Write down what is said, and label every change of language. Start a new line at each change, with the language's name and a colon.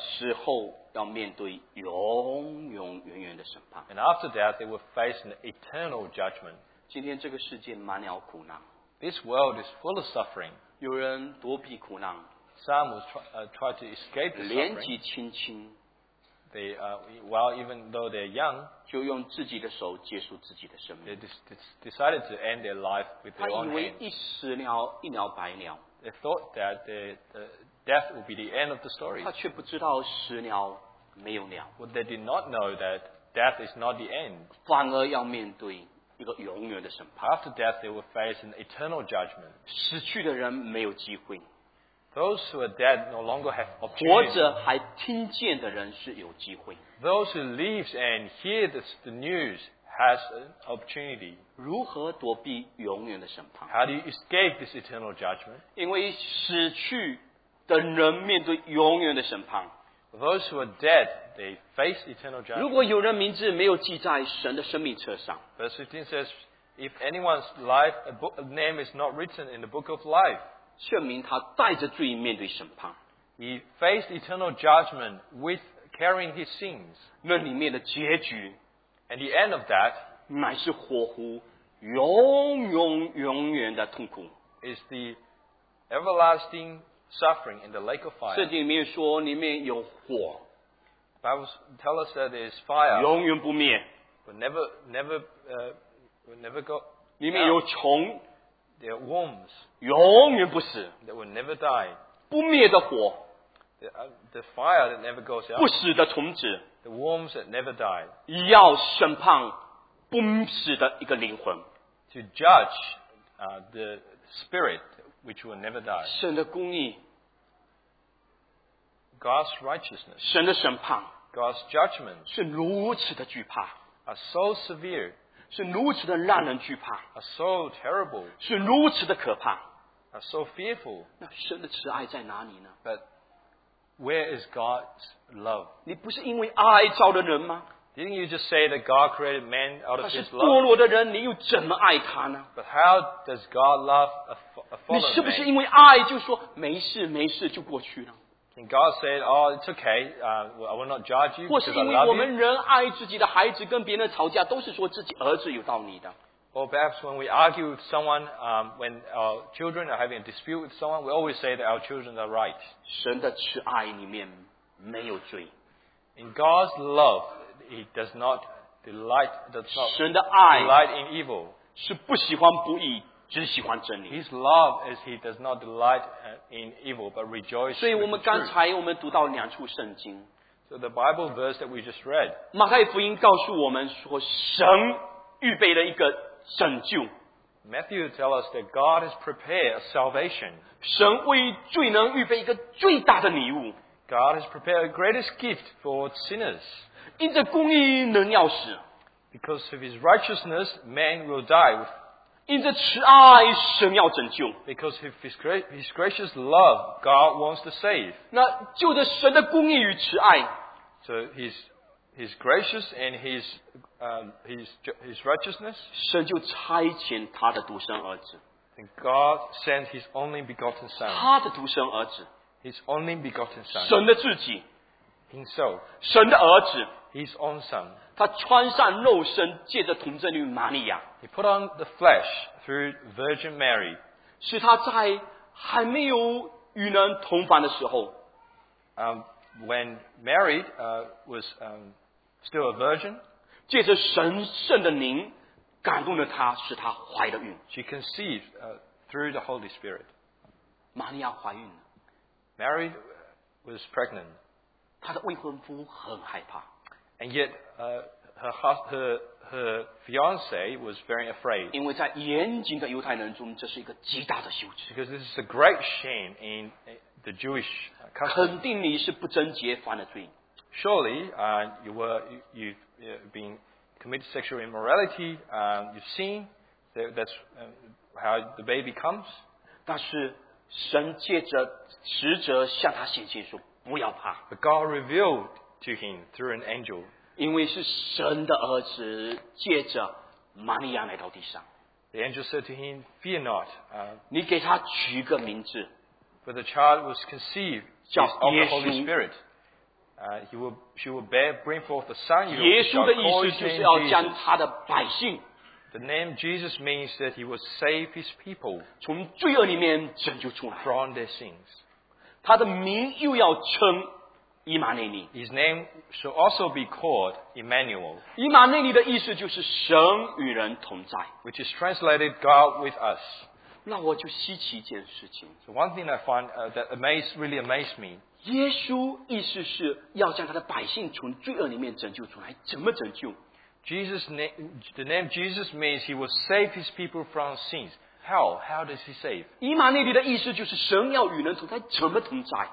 Chinese: 死后要面对永永远远的审判。
English: And after that, they will face an eternal judgment.
Chinese: 今天这个世界满了苦难。
English: This world is full of suffering.
Chinese: 有人躲避苦难。
English: Some will try to escape the suffering.
Chinese: 年纪轻轻。
English: They, well, even though they're young,
Chinese: 就用自己的手结束自己的生命。
English: They decided to end their life with their own hands.
Chinese: 他以为一死了一了百了。
English: They thought that death will be the end of the story.
Chinese: 他却不知道死了没有了。
English: Well, they did not know that death is not the end.
Chinese: 反而要面对一个永远的审判。
English: After death, they will face an eternal judgment.
Chinese: 死去的人没有机会。
English: Those who are dead no longer have opportunity.
Chinese: 活着还听见的人是有机会。
English: Those who live and hear the news has an opportunity.
Chinese: 如何躲避永远的审判？
English: How do you escape this eternal judgment?
Chinese: 因为死去的人面对永远的审判。
English: Those who are dead, they face eternal judgment.
Chinese: 如果有人名字没有记在神的生命册上。
English: Verse 15 says, if anyone's life, a name is not written in the book of life,
Chinese: 却明他带着罪面对审判。
English: He faced eternal judgment with carrying his sins.
Chinese: 那里面的结局。
English: And the end of that,
Chinese: 乃是火湖永永永远的痛苦。
English: Is the everlasting suffering in the lake of fire.
Chinese: 圣经里面说里面有火。
English: Bible tells us that there is fire.
Chinese: 永远不灭。
English: But never go.
Chinese: 里面有虫。
English: There are worms.
Chinese: 永远不死。
English: That will never die.
Chinese: 不灭的火。
English: The fire that never goes out.
Chinese: 不死的虫子。
English: The worms that never die.
Chinese: 要审判不死的一个灵魂。
English: To judge the spirit. Which will never die.
Chinese: 神的公义
English: God's righteousness.
Chinese: 神的审判
English: God's judgment.
Chinese: 是如此的惧怕
English: Are so severe.
Chinese: 是如此的让人惧怕
English: Are so terrible.
Chinese: 是如此的可怕
English: Are so fearful.
Chinese: 那神的慈爱在哪里呢
English: But where is God's love?
Chinese: 你不是因为爱造的人吗
English: Didn't you just say that God created man out of his love?
Chinese: 他是堕落的人你又怎么爱他呢
English: But how does God love a fallen man?
Chinese: 你是不是因为爱就说没事没事就过去了
English: And God said, oh, it's okay, I will not judge you.
Chinese: 或是因为我们人爱自己的孩子跟别人吵架都是说自己儿子有道理的
English: Or perhaps when we argue with someone, when our children are having a dispute with someone, we always say that our children are right.
Chinese: 神的慈爱里面没有罪
English: In God's love, he does not delight, does not
Chinese: 神的爱
English: delight in evil.
Chinese: 是不喜欢不义只喜欢真理。
English: His love is he does not delight in evil but rejoices.
Chinese: 所以我们刚才我们读到两处圣经。
English: So the Bible verse that we just read.
Chinese: 马太福音告诉我们说神预备了一个拯救。
English: Matthew tells us that God has prepared a salvation.
Chinese: 神为罪人预备一个最大的礼物。
English: God has prepared a greatest gift for sinners.
Chinese: 因着公义人要死。
English: Because of his righteousness, man will die with
Chinese: 因着慈爱，神要拯救。
English: Because of His gracious love, God wants to save.
Chinese: 那就着神的公义与慈爱。
English: So His gracious and His righteousness.
Chinese: 神就差遣他的独生儿子。
English: And God sent His only begotten Son.
Chinese: 他的独生儿子。
English: His only begotten Son.
Chinese: 神的自己。
English: himself.
Chinese: 神的儿子。
English: His own son.
Chinese: 他穿上肉身，借着童贞女玛利亚。
English: He put on the flesh through Virgin Mary.
Chinese: 是他在还没有与人同房的时候。
English: When married, was still a virgin.
Chinese: 借着神圣的灵感动了他，使他怀了孕。
English: She conceived through the Holy Spirit.
Chinese: 玛利亚怀孕了。
English: Mary was pregnant.
Chinese: 她的未婚夫很害怕。
English: And yet, her fiance was very afraid.
Chinese: 因为在严谨的犹太人中，这是一个极大的羞耻。
English: Because this is a great shame in the Jewish custom.
Chinese: 肯定你是不贞洁犯了罪。
English: Surely, you've been committed sexual immorality. You've seen that's how the baby comes.
Chinese: 但是神借着使者向他显现说，不要怕。
English: But God revealed. To him through an angel.
Chinese: 因为是神的儿子借着玛利亚来到地上。
English: The angel said to him, "Fear not."
Chinese: 你给他取一个名字。
English: For the child was conceived of the Holy Spirit. She will bring forth a son.
Chinese: 耶稣的意思就是要将他的百姓。
English: The name Jesus means that he will save his people.
Chinese: 从罪恶里面拯救出来。
English: From their sins.
Chinese: 他的名又要称。以马内利。
English: His name shall also be called Emmanuel.
Chinese: 以马内利的意思就是神与人同在。
English: Which is translated God with us.
Chinese: 那我就稀奇一件事情。
English: So one thing I find that really amazed me.
Chinese: 耶稣意思是要将他的百姓从罪恶里面拯救出来，怎么拯救？
English: The name Jesus means he will save his people from sins. How does he save?
Chinese: 以马内利的意思就是神要与人同在，怎么同在？